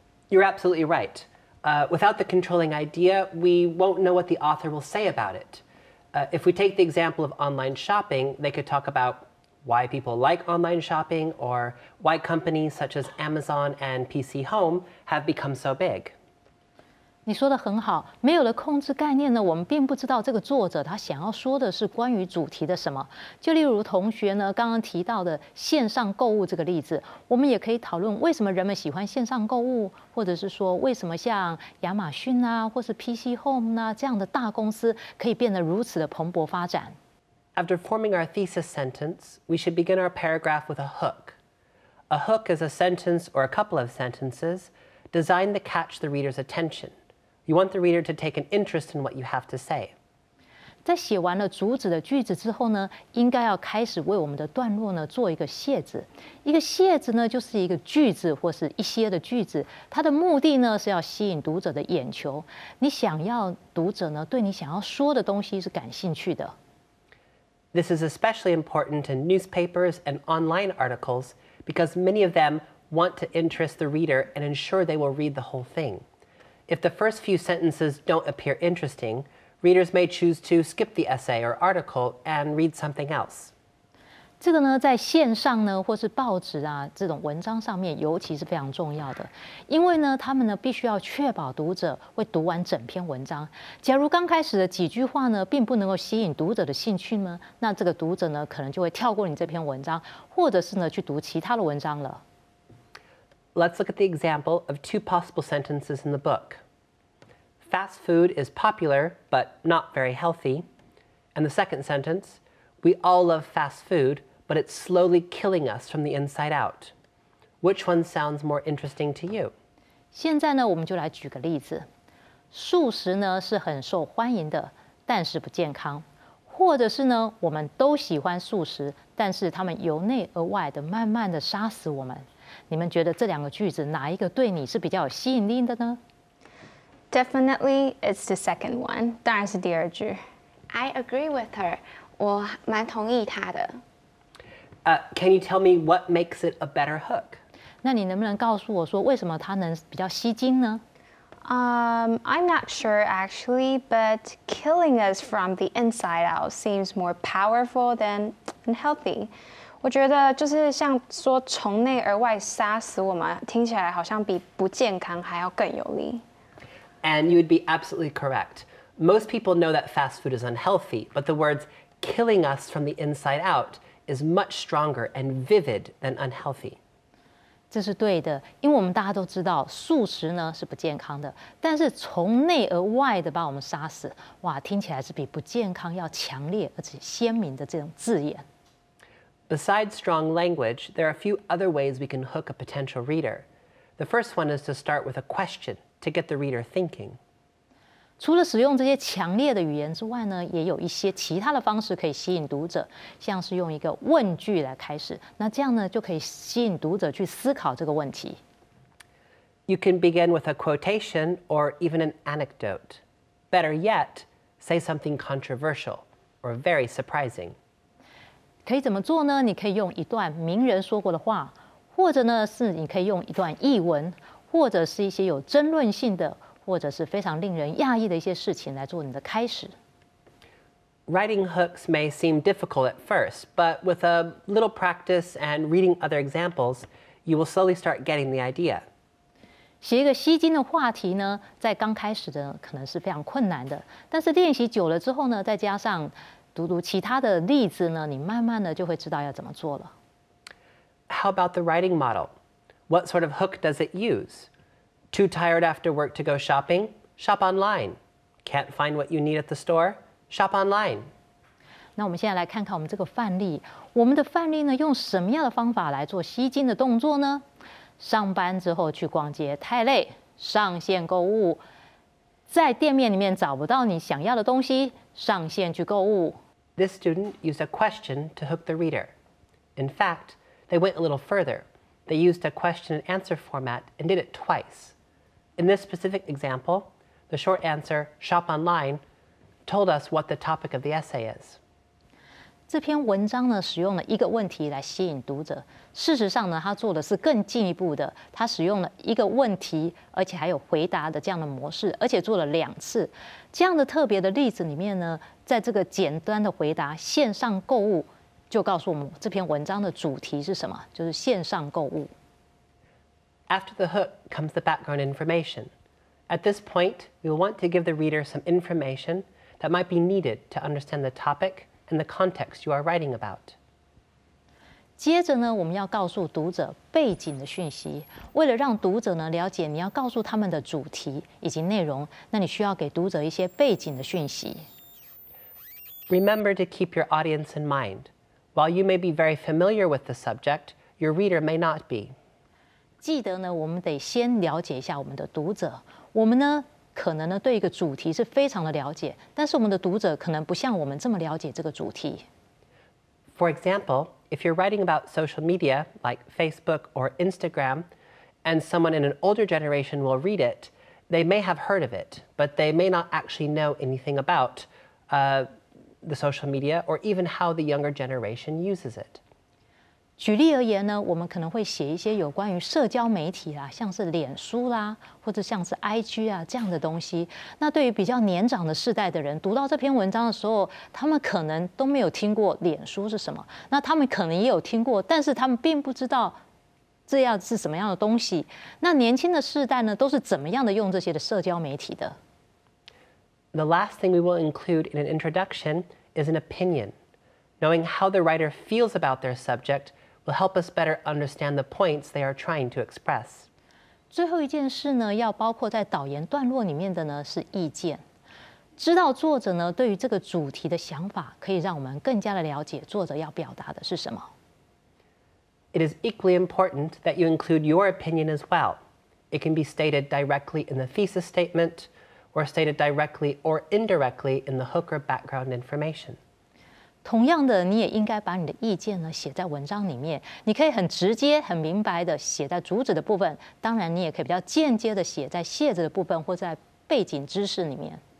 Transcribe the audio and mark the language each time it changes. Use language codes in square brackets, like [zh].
[en] You're absolutely right. Without the controlling idea, we won't know what the author will say about it. If we take the example of online shopping, they could talk about why people like online shopping or why companies such as Amazon and PC Home have become so big. [zh] 你说得很好，没有了控制概念呢，我们并不知道这个作者他想要说的是关于主题的什么。就例如同学呢刚刚提到的线上购物这个例子，我们也可以讨论为什么人们喜欢线上购物，或者是说为什么像亚马逊啊，或是 PC Home 啊这样的大公司可以变得如此的蓬勃发展。 [en] After forming our thesis sentence, we should begin our paragraph with a hook. A hook is a sentence or a couple of sentences designed to catch the reader's attention. You want the reader to take an interest in what you have to say. [zh] 在写完了主旨的句子之后呢，应该要开始为我们的段落呢做一个楔子。一个楔子呢，就是一个句子或是一些的句子，它的目的呢是要吸引读者的眼球。你想要读者呢对你想要说的东西是感兴趣的。 [en] This is especially important in newspapers and online articles because many of them want to interest the reader and ensure they will read the whole thing. If the first few sentences don't appear interesting, readers may choose to skip the essay or article and read something else. [zh] 这个呢，在线上呢，或是报纸啊，这种文章上面，尤其是非常重要的，因为呢，他们呢，必须要确保读者会读完整篇文章。假如刚开始的几句话呢，并不能够吸引读者的兴趣呢，那这个读者呢，可能就会跳过你这篇文章，或者是呢，去读其他的文章了。 [en] Let's look at the example of two possible sentences in the book. Fast food is popular, but not very healthy. And the second sentence, we all love fast food, but it's slowly killing us from the inside out. Which one sounds more interesting to you? [zh] 现在呢，我们就来举个例子。素食呢是很受欢迎的，但是不健康。或者是呢，我们都喜欢素食，但是他们由内而外的慢慢的杀死我们。你们觉得这两个句子哪一个对你是比较有吸引力的呢？ [en] Definitely, it's the second one. [zh] 当然是第二句。 [en] I agree with her. [zh] 我蛮同意她的。 [en] Can you tell me what makes it a better hook? [zh] 那你能不能告诉我说为什么它能比较吸睛呢？ [en] I'm not sure actually, but killing us from the inside out seems more powerful than unhealthy. [zh] 我觉得就是像说从内而外杀死我们，听起来好像比不健康还要更有力。 [en] And you would be absolutely correct. Most people know that fast food is unhealthy, but the words killing us from the inside out is much stronger and vivid than unhealthy. [zh] 这是对的，因为我们大家都知道素食呢是不健康的，但是从内而外的把我们杀死，哇，听起来是比不健康要强烈而且鲜明的这种字眼。 [en] Besides strong language, there are a few other ways we can hook a potential reader. The first one is to start with a question to get the reader thinking. [zh] 除了使用这些强烈的语言之外呢，也有一些其他的方式可以吸引读者，像是用一个问句来开始，那这样呢，就可以吸引读者去思考这个问题。 [en] You can begin with a quotation or even an anecdote. Better yet, say something controversial or very surprising. [zh] 可以怎么做呢？你可以用一段名人说过的话，或者呢是你可以用一段译文，或者是一些有争论性的，或者是非常令人讶异的一些事情来做你的开始。 [en] Writing hooks may seem difficult at first, but with a little practice and reading other examples, you will slowly start getting the idea. [zh] 写一个吸睛的话题呢，在刚开始的可能是非常困难的，但是练习久了之后呢，再加上读读其他的例子呢，你慢慢的就会知道要怎么做了。 [en] How about the writing model? What sort of hook does it use? Too tired after work to go shopping? Shop online. Can't find what you need at the store? Shop online. [zh] 那我们现在来看看我们这个范例。我们的范例呢，用什么样的方法来做吸金的动作呢？上班之后去逛街太累，上线购物。在店面里面找不到你想要的东西，上线去购物。 [en] This student used a question to hook the reader. In fact, they went a little further. They used a question and answer format and did it twice. In this specific example, the short answer, shop online, told us what the topic of the essay is. [zh] 这篇文章呢，使用了一个问题来吸引读者。事实上呢，他做的是更进一步的，他使用了一个问题，而且还有回答的这样的模式，而且做了两次。这样的特别的例子里面呢，在这个简单的回答线上购物，就告诉我们这篇文章的主题是什么，就是线上购物。 [en] After the hook comes the background information. At this point, we want to give the reader some information that might be needed to understand the topic and the context you are writing about. [zh] 接着呢，我们要告诉读者背景的讯息。为了让读者呢了解你要告诉他们的主题以及内容，那你需要给读者一些背景的讯息。 [en] Remember to keep your audience in mind. While you may be very familiar with the subject, your reader may not be. [zh] 记得呢，我们得先了解一下我们的读者。我们呢，可能呢对一个主题是非常的了解，但是我们的读者可能不像我们这么了解这个主题。 [en] For example, if you're writing about social media like Facebook or Instagram, and someone in an older generation will read it, they may have heard of it, but they may not actually know anything about, the social media or even how the younger generation uses it. [zh] 举例而言呢，我们可能会写一些有关于社交媒体啦，像是脸书啦，或者像是 IG 啊这样的东西。那对于比较年长的世代的人，读到这篇文章的时候，他们可能都没有听过脸书是什么。那他们可能也有听过，但是他们并不知道这样是什么样的东西。那年轻的世代呢，都是怎么样的用这些的社交媒体的？ [en] The last thing we will include in an introduction is an opinion. Knowing how the writer feels about their subject. Will help us better understand the points they are trying to express. [zh] 最后一件事呢，要包括在导言段落里面的呢是意见。知道作者呢对于这个主题的想法，可以让我们更加的了解作者要表达的是什么。 [en] It is equally important that you include your opinion as well. It can be stated directly in the thesis statement, or stated directly or indirectly in the hook or background information. [zh] 同样的，你也应该把你的意见呢写在文章里面。你可以很直接、很明白的写在主旨的部分，当然你也可以比较间接的写在介词的部分或在背景知识里面。